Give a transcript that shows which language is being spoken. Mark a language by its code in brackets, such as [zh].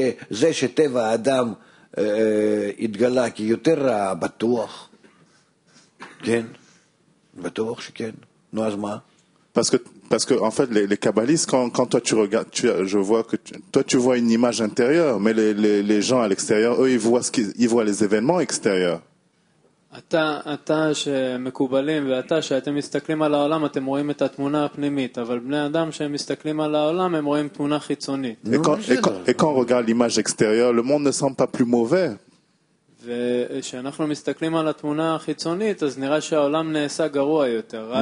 [he] זה שטבע האדם התגלה כי יותר רע, בטוח. כן, בטוח שכן. נו, אז מה? [fr] Parce que en fait les kabbalistes quand toi tu regardes tu vois une image intérieure, mais les gens à l'extérieur, eux, ils voient les événements extérieurs. [he] אתה שמקובלים ואתה שאתם מסתכלים על העולם, אתם רואים את התמונה הפנימית, אבל בני אדם שהם מסתכלים על העולם, הם רואים תמונה חיצונית. [fr] Et quand on regarde l'image extérieure, le monde ne semble pas plus mauvais. [he] וכשאנחנו מסתכלים על התמונה החיצונית, אז נראה שהעולם נעשה גרוע יותר.